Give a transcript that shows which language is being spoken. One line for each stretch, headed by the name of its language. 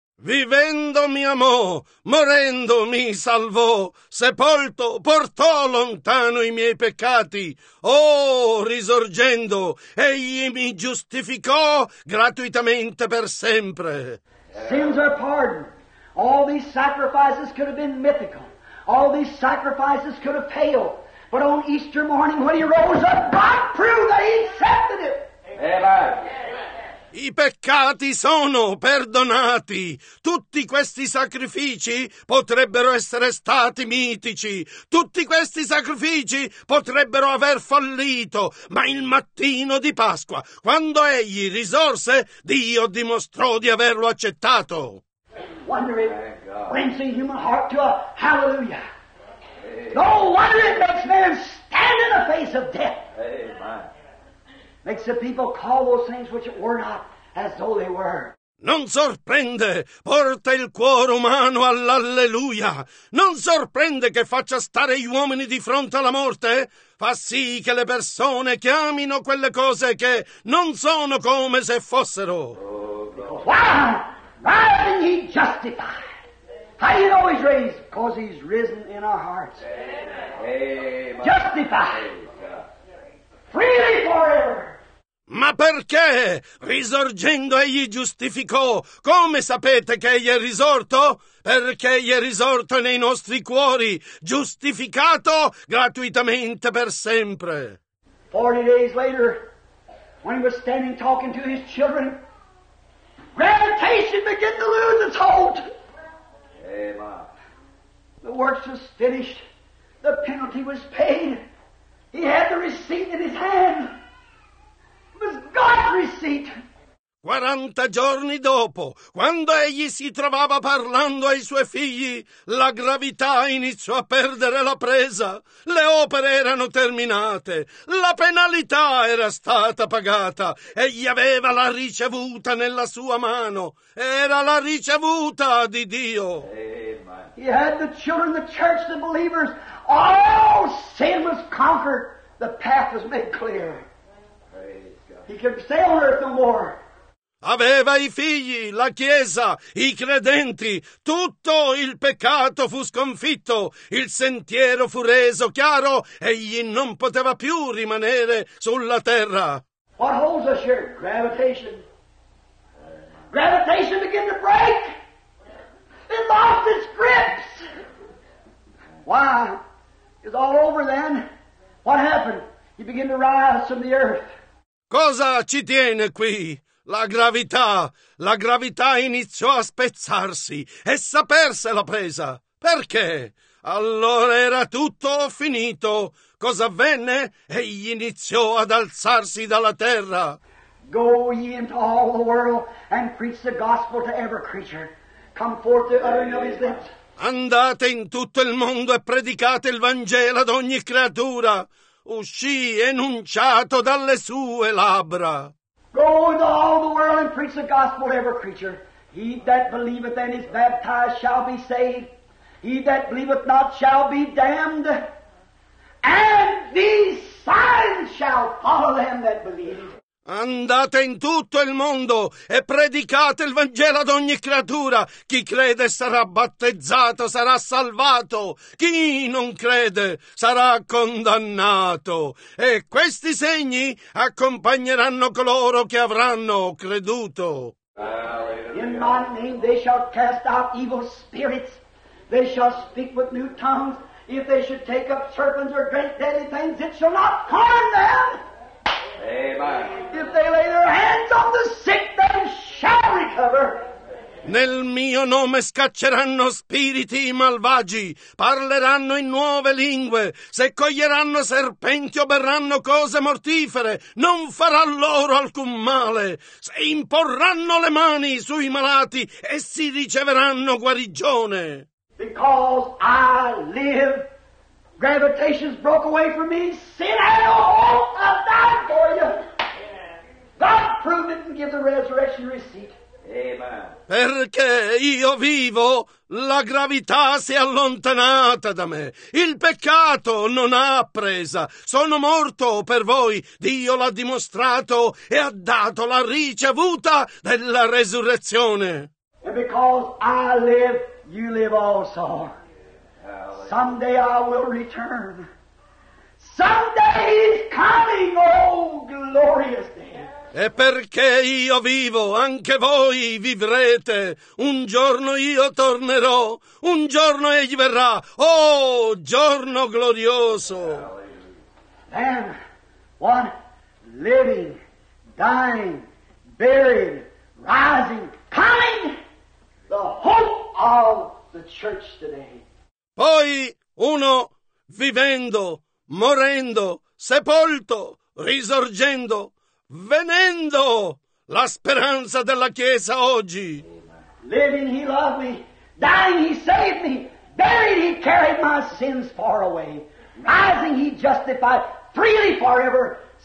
Italian: Vivendo mi amò, morendo mi salvò, sepolto portò lontano i miei peccati. Oh, risorgendo, egli mi giustificò gratuitamente per sempre.
English: Sins are pardoned. All these sacrifices could have been mythical. All these sacrifices could have paled. But on Easter morning when he rose up, God proved that he accepted it. Amen.
Italian: I peccati sono perdonati. Tutti questi sacrifici potrebbero essere stati mitici. Tutti questi sacrifici potrebbero aver fallito. Ma il mattino di Pasqua, quando egli risorse, Dio dimostrò di averlo accettato.
English: Wonder it brings the human heart to a hallelujah. No wonder it makes man stand in the face of death. Amen. makes the people call those things which were not as though they were.
Italian: Non sorprende, porta il cuore umano all'alleluia. Non sorprende che faccia stare gli uomini di fronte alla morte. Fa sì che le persone chiamino quelle cose che non sono come se fossero.
English: Why then he justified? How do you know he's raised? Because he's risen in our hearts. Amen. Justified. Freely forever.
Italian: Ma perché, risorgendo, egli giustificò? Come sapete che egli è risorto? Perché egli è risorto nei nostri cuori, giustificato gratuitamente per sempre.
English: 40 days later, when he was standing talking to his children, gravitation began to lose its hold. Amen. The works was finished. The penalty was paid. He had the receipt in his hand. God's receipt.
Italian: 40 giorni dopo, quando egli si trovava parlando ai suoi figli, la gravità iniziò a perdere la presa. Le opere erano terminate. La penalità era stata pagata. Egli aveva la ricevuta nella sua mano. Era la ricevuta di Dio. Amen.
English: He had the children, the church, the believers. All sin was conquered. The path was made clear. He can stay on earth no more.
Italian: Aveva i figli, la chiesa, i credenti. Tutto il peccato fu sconfitto. Il sentiero fu reso chiaro. Egli non poteva più rimanere sulla terra.
English: What holds us here? Gravitation. Gravitation began to break. It lost its grips. Why? It's all over then. What happened? He began to rise from the earth.
Italian: Cosa ci tiene qui? La gravità iniziò a spezzarsi, essa perse la presa. Perché? Allora era tutto finito. Cosa avvenne? Egli iniziò ad alzarsi dalla terra.
English: Go ye into all the world and preach the gospel to every creature. Come forth the uttering of his lips.
Italian: Andate in tutto il mondo e predicate il Vangelo ad ogni creatura. Uscì enunciato dalle sue labbra.
English: Go into all the world and preach the gospel to every creature. He that believeth and is baptized shall be saved. He that believeth not shall be damned. And these signs shall follow them that believe.
Italian: Andate in tutto il mondo e predicate il Vangelo ad ogni creatura. Chi crede sarà battezzato, sarà salvato. Chi non crede sarà condannato. E questi segni accompagneranno coloro che avranno creduto.
English: In my name they shall cast out evil spirits. They shall speak with new tongues. If they should take up serpents or drink deadly things, it shall not harm them. Amen. If they lay their hands on the sick, they shall recover.
Italian: Nel mio nome scacceranno spiriti malvagi, parleranno in nuove lingue, se coglieranno serpenti o berranno cose mortifere, non farà loro alcun male. Se imporranno le mani sui malati, essi riceveranno guarigione.
English: Because I live. Gravitation's broke away from me. Sin had a hold. I died for you. God proved it and give the resurrection receipt. Amen.
Italian: Perché io vivo, la gravità si è allontanata da me. Il peccato non ha presa. Sono morto per voi. Dio l'ha dimostrato e ha dato la ricevuta della resurrezione.
English: And because I live, you live also. Someday I will return. Someday is coming, oh glorious day.
Italian: E perché io vivo, anche voi vivrete. Un giorno io tornerò. Un giorno egli verrà. Oh, giorno glorioso.
English: Then, what? Living, dying, buried, rising, coming. The hope of the church today.
Italian: Poi uno vivendo, morendo, sepolto, risorgendo, venendo, la speranza della Chiesa oggi.
English: Living he loved me, dying he saved me, buried he carried my sins far away, rising he justified freely forever,